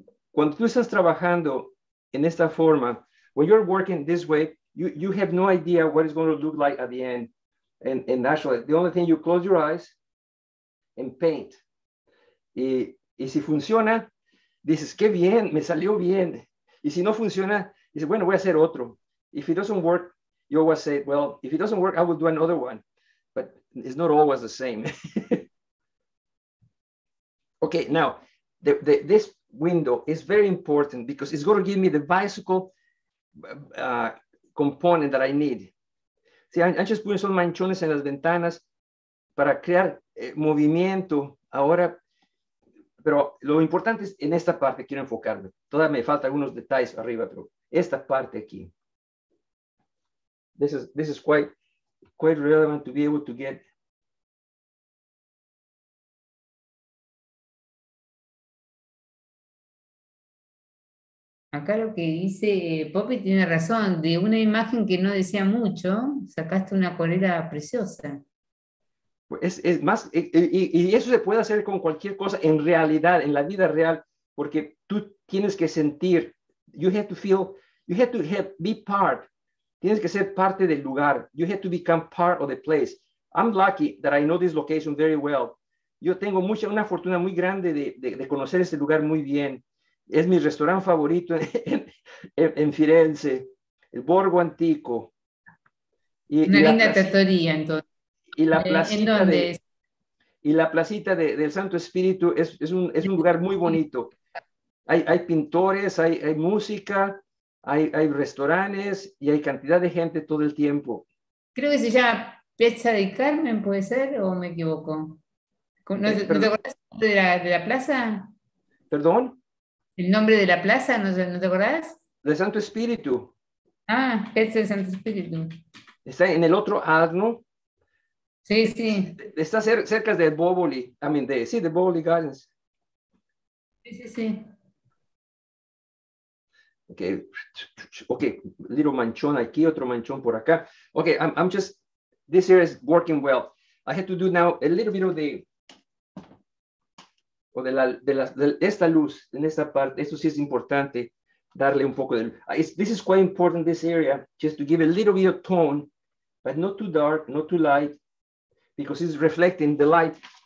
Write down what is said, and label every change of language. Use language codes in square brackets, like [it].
[es] Cuando tú estás trabajando en esta forma, [en] when you're working this way, you have no idea what it's going to look like at the end. And actually, the only thing, you close your eyes and paint. [es] Y si funciona, dices, qué bien, me salió bien. Y si no funciona, dices, bueno, voy a hacer otro. [en] If it doesn't work, you always say, well, if it doesn't work, I will do another one. But it's not always the same. Okay, now, this window is very important because it's going to give me the bicycle component that I need. See, I'm just putting some [es] manchones en las ventanas para crear movimiento ahora. Pero lo importante es en esta parte, quiero enfocarme. Todavía me faltan algunos detalles arriba, pero esta parte aquí. [en] This is quite relevant to be able to get. [es] Acá lo que dice Poppy tiene razón. De una imagen que no decía mucho, sacaste una acuarela preciosa. Es más, y eso se puede hacer con cualquier cosa en realidad, en la vida real, porque tú tienes que sentir, [en] be part. [es] Tienes que ser parte del lugar. [en] You have to become part of the place. I'm lucky that I know this location very well. [es] Yo tengo una fortuna muy grande de conocer este lugar muy bien. Es mi restaurante favorito en Firenze, el Borgo Antico. Linda trattoria, entonces. Y la placita del Santo Espíritu es un lugar muy bonito. Hay pintores, hay música. Hay restaurantes y hay cantidad de gente todo el tiempo. Creo que se llama Piazza di Carmen, ¿puede ser? ¿O me equivoco? ¿No te acordás de la plaza? ¿Perdón? ¿El nombre de la plaza? ¿No te acordás? De Santo Espíritu. Ah, Piazza de Santo Espíritu. Está en el otro Arno. Sí, sí. Está cerca de Boboli. De Boboli Gardens. Sí, sí, sí. Okay, little manchón aquí, otro manchón por acá. [en] Okay, I'm just, this here is working well. I have to do now a little bit of [es] esta luz, en esta parte. Esto sí es importante, darle un poco de, [en] this is quite important, this area, just to give a little bit of tone, but not too dark, not too light, because it's reflecting the light.